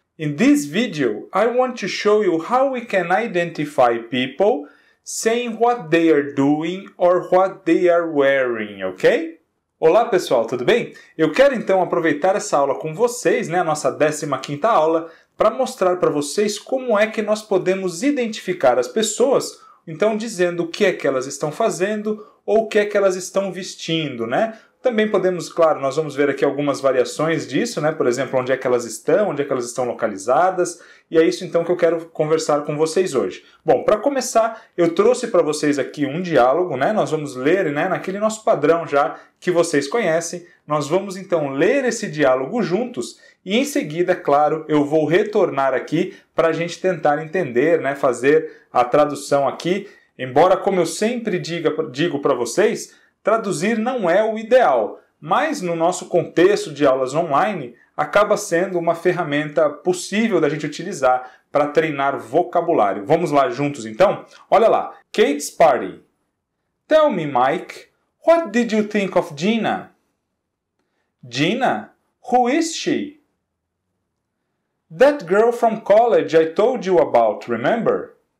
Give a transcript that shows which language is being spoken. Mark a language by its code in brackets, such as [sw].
[en] In this video, I want to show you how we can identify people saying what they are doing or what they are wearing, ok? [pt] Olá pessoal, tudo bem? Eu quero então aproveitar essa aula com vocês, né, a nossa 15ª aula, para mostrar para vocês como é que nós podemos identificar as pessoas, então dizendo o que é que elas estão fazendo ou o que é que elas estão vestindo, né? Também podemos, claro, nós vamos ver aqui algumas variações disso, né? Por exemplo, onde é que elas estão, onde é que elas estão localizadas. E é isso, então, que eu quero conversar com vocês hoje. Bom, para começar, eu trouxe para vocês aqui um diálogo, né? Nós vamos ler, né, naquele nosso padrão já que vocês conhecem. Nós vamos, então, ler esse diálogo juntos. E em seguida, claro, eu vou retornar aqui para a gente tentar entender, né, fazer a tradução aqui. Embora, como eu sempre digo para vocês, traduzir não é o ideal, mas no nosso contexto de aulas online, acaba sendo uma ferramenta possível da gente utilizar para treinar vocabulário. Vamos lá juntos, então? Olha lá, Kate's party. [en] Tell me, Mike, what did you think of Gina? Gina? Who is she? That girl from college I told you about, remember?